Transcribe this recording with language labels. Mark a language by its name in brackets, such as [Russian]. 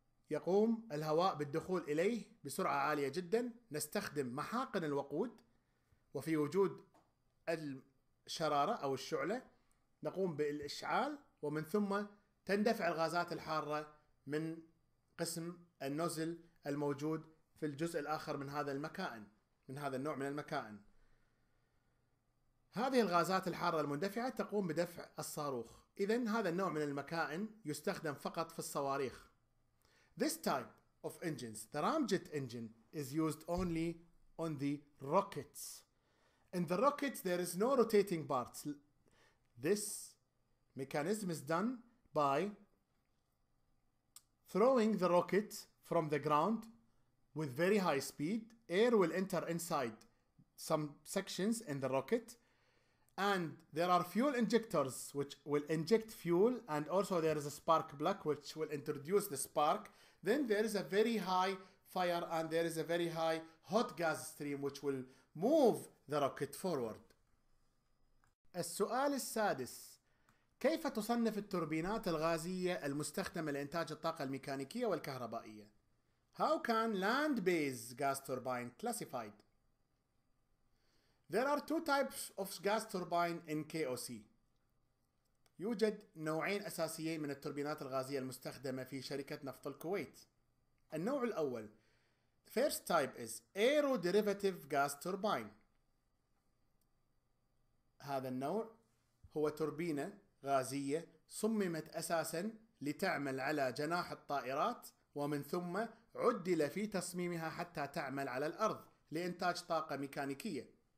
[Arabic] يقوم الهواء بالدخول إليه بسرعة عالية جدا، نستخدم محاقن الوقود وفي وجود الشرارة أو الشعلة نقوم بالإشعال، ومن ثم تندفع الغازات الحارة من قسم النوزل الموجود في الجزء الآخر من هذا المكائن، من هذا النوع من المكائن. هذه الغازات الحارة المندفعة تقوم بدفع الصاروخ. إذن هذا النوع من المكائن يستخدم فقط في الصواريخ. [English] This type of engines, the ramjet engine, is used only on the rockets. In the rockets, there is no rotating parts. This mechanism is done by throwing the rocket from the ground with very high speed. Air will enter inside some sections in the rocket. And there are fuel injectors which will inject fuel, and also there is a spark plug which will introduce the spark. Then there is a very high fire and there is a very high hot gas stream which will move the rocket forward. [Arabic] السؤال السادس: كيف تصنف التوربينات الغازية المستخدمة لإنتاج الطاقة الميكانيكية والكهربائية؟ [English] How can land-based gas turbine classified? There are two types of gas turbine in KOC. [Arabic] يوجد نوعين أساسيين من التوربينات الغازية المستخدمة في شركة نفط الكويت. النوع الأول, [English] the first type is aeroderivative gas turbine. [Arabic] هذا النوع هو توربينة غازية صممت أساساً لتعمل على جناح الطائرات ومن ثم عدل في تصميمها حتى تعمل على الأرض لإنتاج طاقة ميكانيكية.